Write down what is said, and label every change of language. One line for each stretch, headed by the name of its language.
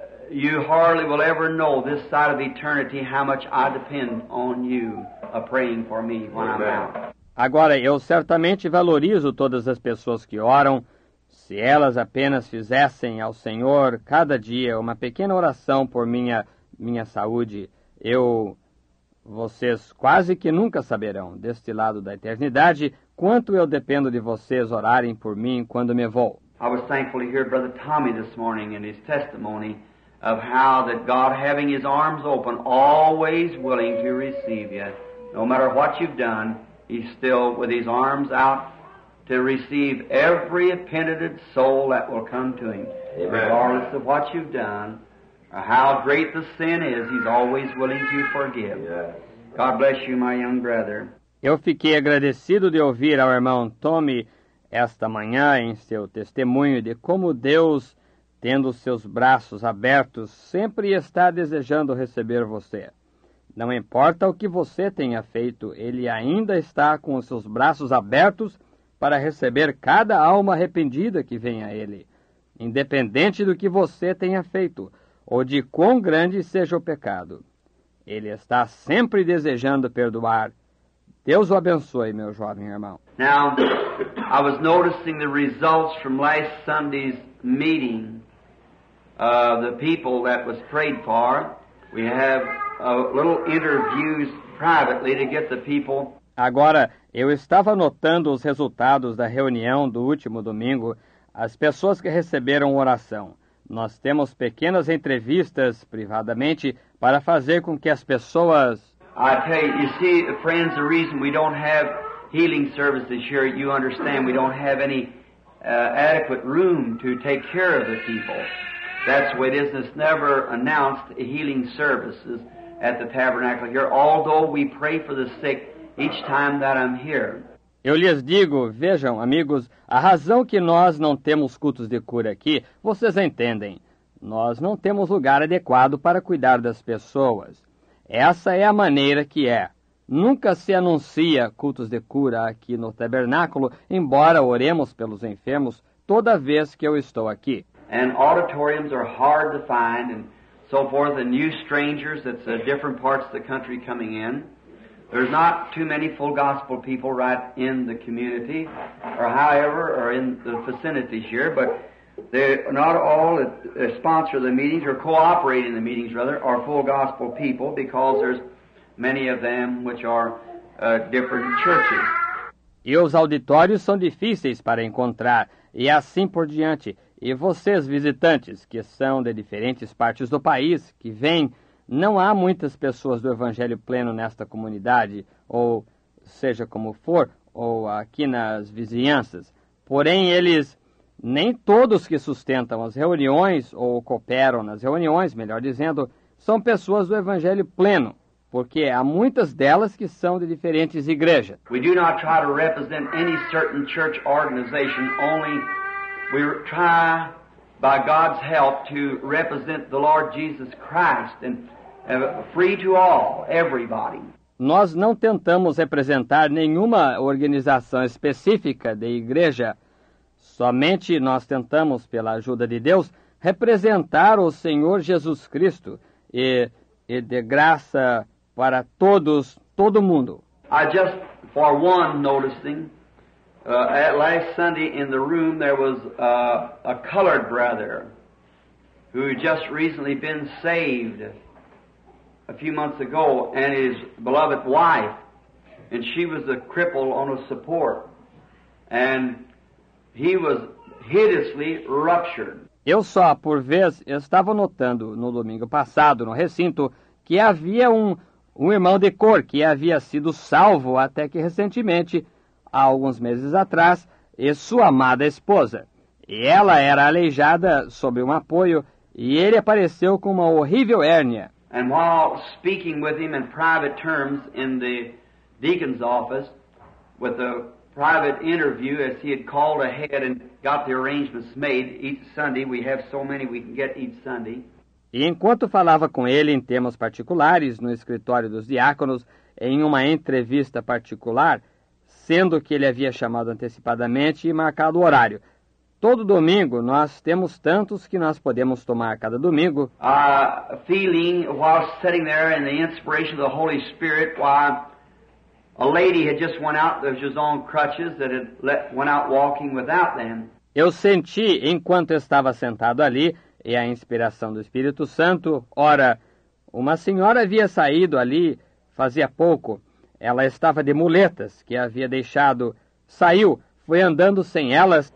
English: You hardly will ever know this side of eternity how much I depend on you a praying for me when I'm out.
Portuguese: Agora, eu certamente valorizo todas as pessoas que oram, se elas apenas fizessem ao Senhor cada dia uma pequena oração por minha saúde, vocês quase que nunca saberão, deste lado da eternidade, quanto eu dependo de vocês orarem por mim quando me vou.
English: I was thankful to hear Brother Tommy this morning and his testimony of how that God having his arms open, always willing to receive you, no matter what you've done, he's still with his arms out to receive every penitent soul that will come to him. Amen. Regardless of what you've done, or how great the sin is, he's always willing to forgive. Yes. God bless you, my young brother.
Portuguese: Eu fiquei agradecido de ouvir ao irmão Tommy esta manhã em seu testemunho de como Deus, tendo seus braços abertos, sempre está desejando receber você. Não importa o que você tenha feito, Ele ainda está com os seus braços abertos para receber cada alma arrependida que vem a Ele. Independente do que você tenha feito ou de quão grande seja o pecado, Ele está sempre desejando perdoar. Deus o abençoe, meu jovem irmão.
English: Now, I was noticing the results from last Sunday's meeting of the people that was prayed for. We have a little interviews privately to get the people.
Portuguese: Agora, eu estava notando os resultados da reunião do último domingo, as pessoas que receberam oração. Nós temos pequenas entrevistas privadamente para fazer com que as pessoas...
English: I tell you, you see, friends, the reason we don't have healing services here, you understand, we don't have any adequate room to take care of the people. That's the way it is. It's never announced healing services at the tabernacle here, although we pray for the sick each time that I'm here.
Portuguese: Eu lhes digo, vejam, amigos, a razão que nós não temos cultos de cura aqui, vocês entendem. Nós não temos lugar adequado para cuidar das pessoas. Essa é a maneira que é. Nunca se anuncia cultos de cura aqui no tabernáculo, embora oremos pelos enfermos toda vez que eu estou aqui.
English: And auditoriums are hard to find and so forth, and new strangers that's in different parts of the country coming in. There's not too many full gospel people right in the community, or however, or in the vicinities here, but they're not all a sponsor of the meetings, or cooperating in the meetings, rather, are full gospel people, because there's many of them which are different churches.
Portuguese: E os auditórios são difíceis para encontrar, e assim por diante. E vocês, visitantes, que são de diferentes partes do país, que vêm... Não há muitas pessoas do Evangelho Pleno nesta comunidade, ou seja como for, ou aqui nas vizinhanças. Porém, eles, nem todos que sustentam as reuniões, ou cooperam nas reuniões, melhor dizendo, são pessoas do Evangelho Pleno, porque há muitas delas que são de diferentes igrejas.
English: We do not try to represent any certain church organization, only we try... by God's help, to represent the Lord Jesus Christ, and free to all, everybody.
Portuguese: Nós não tentamos representar nenhuma organização específica de igreja. Somente nós tentamos, pela ajuda de Deus, representar o Senhor Jesus Cristo, e de graça para todos, todo mundo.
English: I just, for one, noticing... at last Sunday in the room there was a colored brother who had just recently been saved a few months ago, and his beloved wife, and she was a cripple on a support, and he was hideously ruptured.
Portuguese: Eu só, por vez, estava notando no domingo passado, no recinto, que havia um irmão de cor que havia sido salvo até que recentemente, há alguns meses atrás, e sua amada esposa. E ela era aleijada sob um apoio, e ele apareceu com uma horrível hérnia.
English: And while speaking with him in private terms in the deacon's office, with a private interview, as he had called ahead and got the arrangements made each Sunday, we have so many we can get each Sunday.
Portuguese: E enquanto falava com ele em temas particulares, no escritório dos diáconos, em uma entrevista particular, sendo que ele havia chamado antecipadamente e marcado o horário. Todo domingo, nós temos tantos que nós podemos tomar cada domingo.
English: Feeling, while sitting there in the inspiration of the Holy Spirit, while a lady had just went out with his own crutches that had went out walking without them.
Portuguese: Eu senti, enquanto estava sentado ali, e a inspiração do Espírito Santo, ora, uma senhora havia saído ali fazia pouco, ela estava de muletas, que havia deixado, saiu, foi andando sem elas.